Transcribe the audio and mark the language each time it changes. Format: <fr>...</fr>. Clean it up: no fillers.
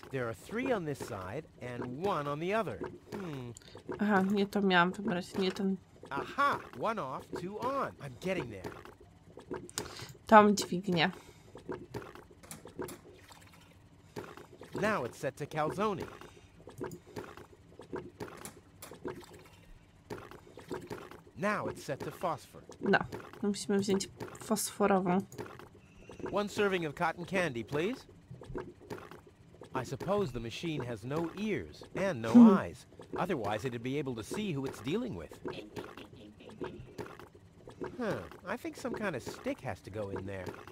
<en>There are three on this side and one on the other.</en> <pl>Aha, nie to miałam wybrać, nie ten.</pl> <en>Aha, one off, two on. I'm getting there.</en> <pl>Tom dźwignia.</pl> <en>Now it's set to calzone. Now it's set to phosphor.</en> <pl>No, musimy wziąć fosforową.</pl> <en>One serving of cotton candy, please. I suppose the machine has no ears and no eyes. Otherwise it'd be able to see who it's dealing with. Huh, I think some kind of stick has to go in there.</en>